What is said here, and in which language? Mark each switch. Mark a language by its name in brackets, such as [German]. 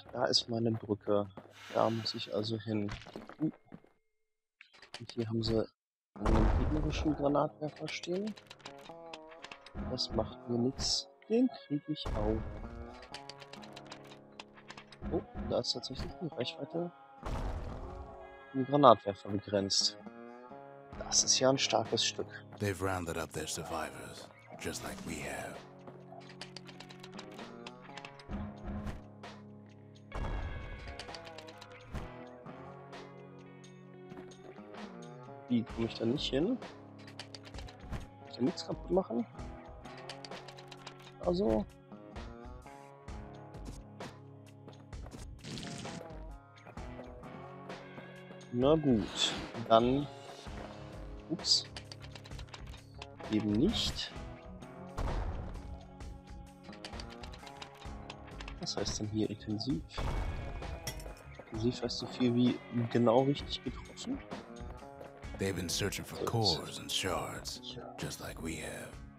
[German] Da ist meine Brücke. Da muss ich also hin. Und hier haben sie einen gegnerischen Granatwerfer stehen. Das macht mir nichts. Den kriege ich auch. Oh, da ist tatsächlich die Reichweite im Granatwerfer begrenzt. Das ist ja ein starkes Stück. [English] They've rounded up their survivors, just like we have. [German] Wie komme ich da nicht hin? Kann ich da nichts kaputt machen? Also. Na gut. Dann. Ups. Eben nicht. Was heißt denn hier intensiv? Intensiv heißt so viel wie genau richtig getroffen. [English] They've been searching for cores and shards, just like we have.